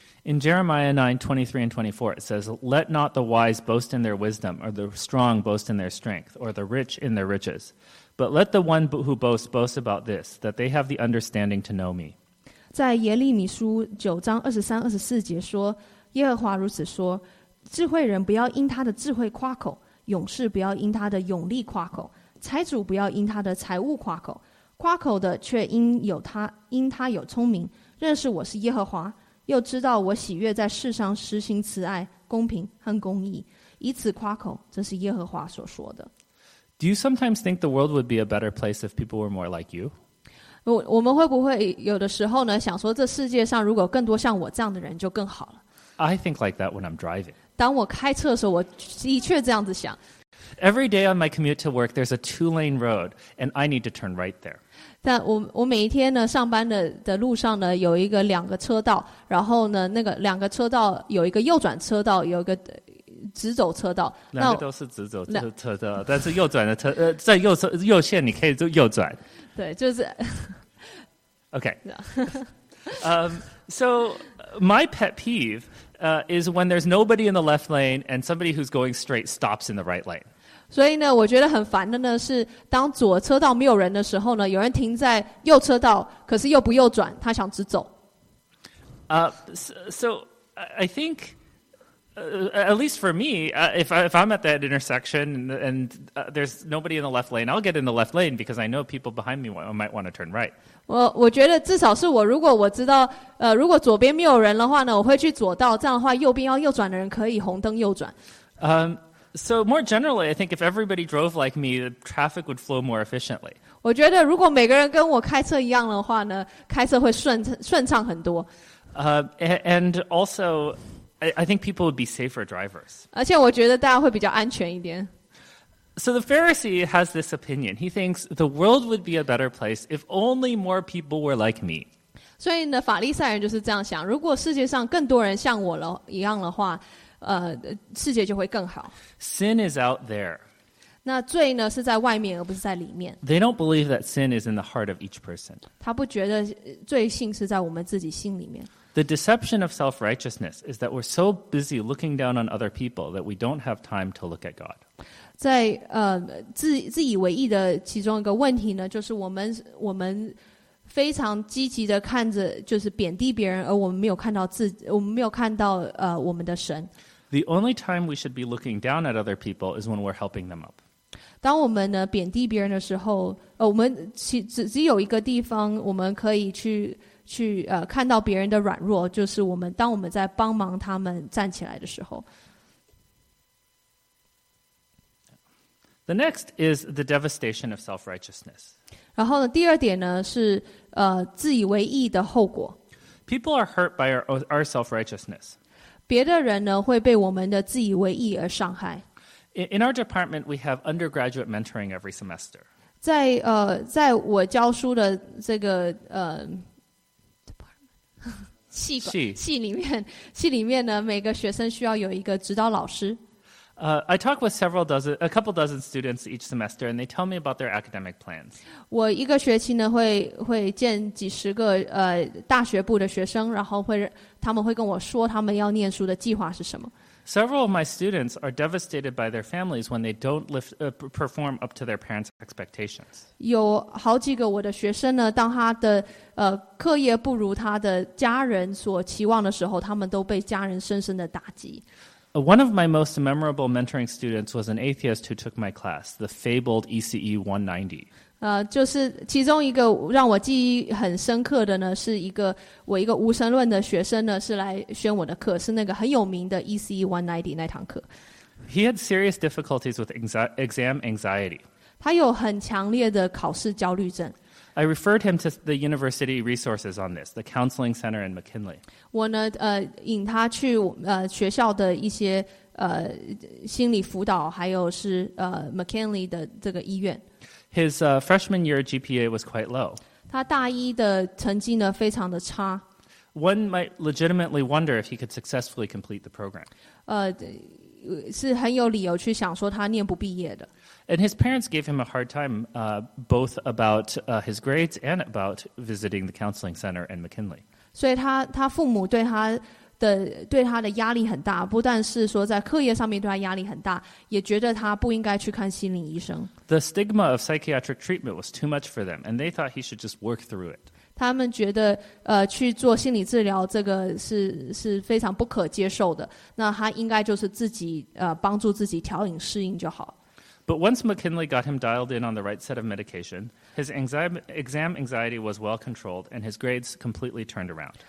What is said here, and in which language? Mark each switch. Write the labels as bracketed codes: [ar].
[en] In Jeremiah 9:23 and 24, it says, "Let not the wise boast in their wisdom, or the strong boast in their strength, or the rich in their riches, but let the one who boasts boast about this, that they have the understanding to know me." [zh] 在耶利米书九章二十三、二十四节说，耶和华如此说：智慧人不要因他的智慧夸口，勇士不要因他的勇力夸口，财主不要因他的财物夸口，夸口的却因他有聪明，认识我是耶和华。又知道我喜悦在世上施行慈爱、公平和公义，以此夸口，这是耶和华所说的。 [en] Do you sometimes think the world would be a better place if people were more like you? [zh] 我们会不会有的时候呢，想说这世界上如果更多像我这样的人就更好了 [en] ？I think like that when I'm driving. [zh] 当我开车的时候，我的确这样子想。 [en] Every day on my commute to work, there's a two-lane road, and I need to turn right there. [zh] 但我每一天呢，上班的路上呢，有一个两个车道，然后呢，那个两个车道有一个右转车道，有一个直走车道。两个都是直走车道，但是右转的车在右线，你可以就右转。对，就是。 [en] Okay. So my pet peeve is when there's nobody in the left lane and somebody who's going straight stops in the right lane. [zh] 所以呢，我觉得很烦的呢是，当左车道没有人的时候呢，有人停在右车道，可是又不右转，他想直走。 [en] So I think, at least for me, if I'm at that intersection and there's nobody in the left lane, I'll get in the left lane because I know people behind me might want to turn right. [zh] 我觉得至少是我，如果我知道，如果左边没有人的话呢，我会去左道，这样的话，右边要右转的人可以红灯右转。 [en] So more generally, I think if everybody drove like me, the traffic would flow more efficiently. [zh] 我觉得如果每个人跟我开车一样的话呢，开车会顺畅很多。 [en] And also, I think people would be safer drivers. [zh] 而且我觉得大家会比较安全一点。 [en] So the Pharisee has this opinion. He thinks the world would be a better place if only more people were like me. [zh] 所以呢，法利赛人就是这样想：如果世界上更多人像我一样的话。世界就会更好。 [en] Sin is out there. [zh] 那罪呢是在外面，而不是在里面。 [en] They don't believe that sin is in the heart of each person. [zh] 他不觉得罪性是在我们自己心里面。 [en] The deception of self-righteousness is that we're so busy looking down on other people that we don't have time to look at God. [zh] 在自以为意的其中一个问题呢，就是我们非常积极的看着，就是贬低别人，而我们没有看到我们没有看到我们的神。 [en] The only time we should be looking down at other people is when we're helping them up. [zh] 当我们呢贬低别人的时候，我们只有一个地方我们可以去看到别人的软弱，就是当我们在帮忙他们站起来的时候。 [en] The next is the devastation of self-righteousness. [zh] 然后呢，第二点呢是自以为意的后果。 [en] People are hurt by our self-righteousness. [zh] 别的人呢会被我们的自以为意而伤害。 [en] In our department, we have undergraduate mentoring every semester. [zh] 在在我教书的这个系里面呢，每个学生需要有一个指导老师。 [en] I talk with a couple dozen students each semester, and they tell me about their academic plans. [zh] 我一个学期呢会见几十个大学部的学生，然后他们会跟我说他们要念书的计划是什么。 [en] Several of my students are devastated by their families when they don't perform up to their parents' expectations. [zh] 有好几个我的学生呢，当他的课业不如他的家人所期望的时候，他们都被家人深深的打击。 [en] One of my most memorable mentoring students was an atheist who took my class, the fabled ECE 190. [zh] 就是其中一个让我记忆很深刻的呢，是一个我一个无神论的学生呢，是来选我的课，是那个很有名的 ECE 190那堂课。 [en] He had serious difficulties with exam anxiety. [zh] 他有很强烈的考试焦虑症。 [en] I referred him to the university resources on this, the counseling center in McKinley. [zh] 我呢，引他去学校的一些心理辅导，还有是McKinley 的这个医院。 [en] His freshman year GPA was quite low. [zh] 他大一的成绩呢非常的差。 [en] One might legitimately wonder if he could successfully complete the program. [zh] 是很有理由去想说他念不毕业的。 [en] And his parents gave him a hard time, both about his grades and about visiting the counseling center in McKinley. [zh] 所以他父母对他的压力很大，不但是说在课业上面对他压力很大，也觉得他不应该去看心理医生。 [en] The stigma of psychiatric treatment was too much for them, and they thought he should just work through it. [zh] 他们觉得去做心理治疗这个是非常不可接受的，那他应该就是自己帮助自己调整适应就好。 [en] But once McKinley got him dialed in on the right set of medication, his exam anxiety was well controlled, and his grades completely turned around.